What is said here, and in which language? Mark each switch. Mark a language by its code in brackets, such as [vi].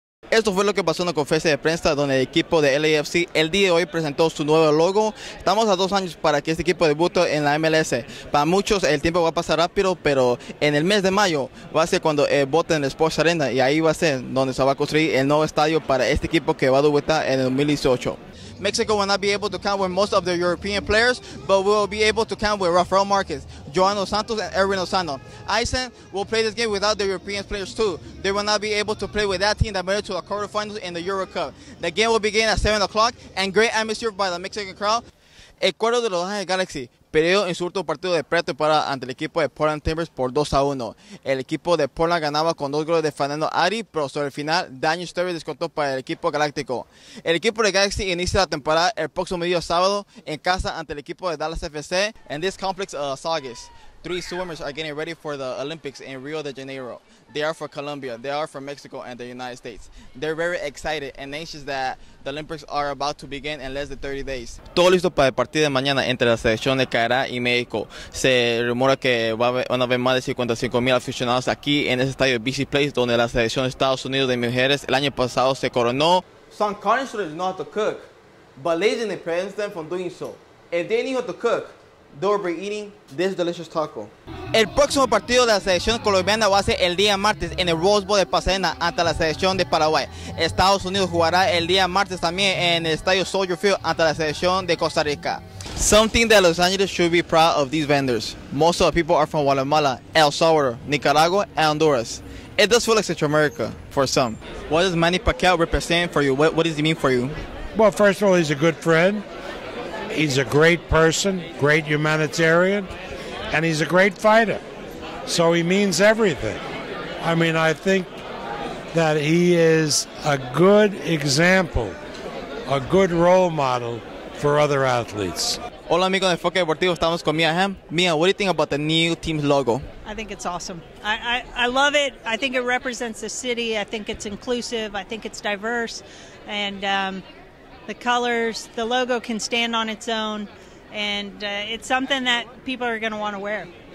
[es] Esto fue lo que pasó en la conferencia de prensa donde el equipo de LAFC el día de hoy presentó su nuevo logo. Estamos a 2 años para que este equipo debute en la MLS. Para muchos el tiempo va a pasar rápido, pero en el mes de mayo va a ser cuando voten en el Sports Arena y ahí va a ser donde se va a construir el nuevo estadio para este equipo que va a debutar en el 2018. [en] Mexico will not be able to count with most of their European players, but will be able to count with Rafael Márquez, Joao Santos, and Erwin Lozano. Iceland will play this game without their European players too. They will not be able to play with that team that made it to the quarterfinals in the Euro Cup. The game will begin at 7 o'clock, and great atmosphere by the Mexican crowd. [es] El cuadro de Los Ángeles Galaxy perdió en su último partido de pretemporada ante el equipo de Portland Timbers por 2-1. El equipo de Portland ganaba con 2 goles de Fernando Ari, pero sobre el final, Daniel Sturridge descontó para el equipo galáctico. El equipo de Galaxy inicia la temporada el próximo día sábado en casa ante el equipo de Dallas FC. En este complejo de Saugus, [en] 3 swimmers are getting ready for the Olympics in Rio de Janeiro. They are for Colombia, they are for Mexico and the United States. They're very excited and anxious that the Olympics are about to begin in less than 30 days. [es] Todo listo para el partido de mañana entre la selección de Canadá y México. Se rumora que van a haber más de 55 mil aficionados aquí en ese estadio BC Place donde la selección de Estados Unidos de mujeres el año pasado se coronó. [en] Some college students know how to cook, but laziness prevents them from doing so. If they knew how to cook, they'll be eating this delicious taco. [es] El próximo partido de la selección colombiana va a ser el día martes en el Rose Bowl de Pasadena ante la selección de Paraguay. Estados Unidos jugará el día martes también en el estadio Soldier Field ante la selección de Costa Rica. [en] Something that Los Angeles should be proud of these vendors. Most of the people are from Guatemala, El Salvador, Nicaragua, and Honduras. It does feel like Central America for some. What does Manny Pacquiao represent for you? What does he mean for you? Well, first of all, he's a good friend. He's a great person, great humanitarian, and he's a great fighter. So he means everything. I mean, I think that he is a good example, a good role model for other athletes. [es] Hola amigos de Enfoque Deportivo, estamos con Mia Hamm. [en] Mia, what do you think about the new team's logo? I think it's awesome. I love it. I think it represents the city. I think it's inclusive. I think it's diverse. And the colors, the logo can stand on its own, and it's something that people are going to want to wear.